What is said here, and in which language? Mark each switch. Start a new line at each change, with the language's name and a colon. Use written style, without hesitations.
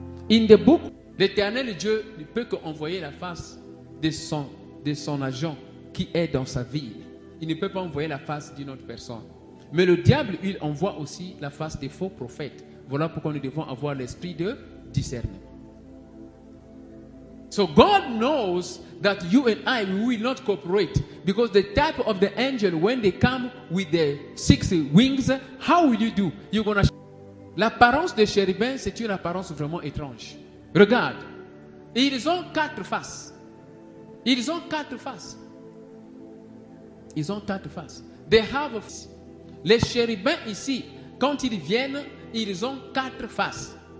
English: In the book,
French: l'Éternel Dieu ne peut qu'envoyer la face de son agent qui est dans sa ville. Il ne peut pas envoyer la face d'une autre personne. Mais le diable, il envoie aussi la face des faux prophètes. Voilà pourquoi nous devons avoir l'esprit de discernement.
English: So God knows that you and I will not cooperate, because the type of the angel, when they come with their six wings, how will you do? You're gonna.
French: L'apparence de chérubins, c'est une apparence vraiment étrange. Regarde, ils ont quatre faces. Ils ont quatre faces. Ils ont quatre faces.
English: They have a face.
French: Les chérubins ici, quand ils viennent, ils ont quatre faces.